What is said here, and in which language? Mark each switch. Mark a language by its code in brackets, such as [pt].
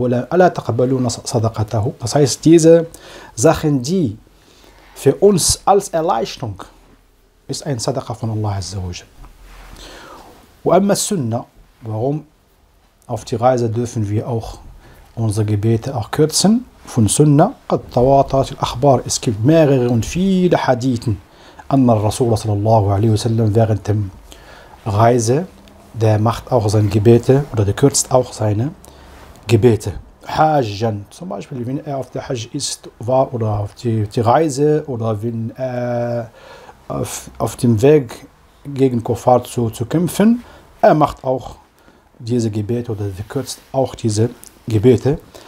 [ar] ألا تقبلون صدقته؟ [de] Das heißt, diese Sachen, die für uns als Erleichterung ist ein Sadaqa von Allah [ar] عز وجل. وأما السنة, [de] warum auf die Reise dürfen wir auch unsere Gebete auch kürzen? Von Sunna, [ar] قد تواترت الأخبار. [de] Es gibt mehrere und viele Hadithen, [ar] أن الرسول صلى الله عليه وسلم [de] während dem Reise, der macht auch seine Gebete oder der kürzt auch seine Gebete. Hajjan, zum Beispiel, wenn er auf der Hajj ist, war oder auf die Reise oder wenn er auf dem Weg gegen Kuffar zu kämpfen, er macht auch diese Gebete oder der kürzt auch diese Gebete.